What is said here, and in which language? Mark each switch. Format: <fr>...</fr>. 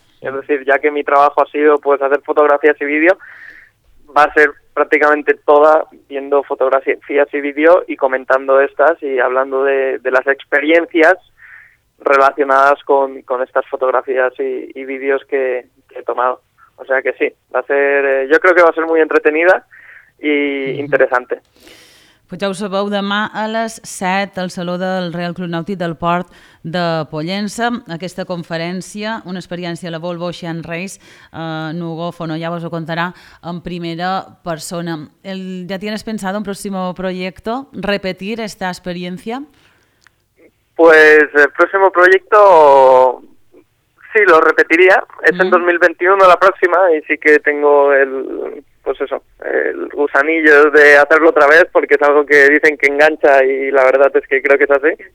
<es>Es decir, ya que mi trabajo ha sido pues hacer fotografías y vídeo, va a ser prácticamente toda viendo fotografías y vídeo y comentando estas y hablando de las experiencias relacionadas con estas fotografías y vídeos que he tomado. O sea que sí, va a ser. Yo creo que va a ser muy entretenida e interesante.</es> <ca>Pues ja ho sabeu, demà a les 7 al Saló del Real Club Nàutic del Port de Pollença, aquesta conferència, una experiència a la Volvo Ocean Race, Nugo Fono, ja vos ho contarà en primera persona.</ca> <es>¿Ya tienes pensado un próximo proyecto, repetir esta experiencia? Pues el próximo proyecto sí, lo repetiría, es en 2021 la próxima, y sí que tengo el gusanillo de hacerlo otra vez, porque es algo que dicen que engancha y la verdad es que creo que es así.</es>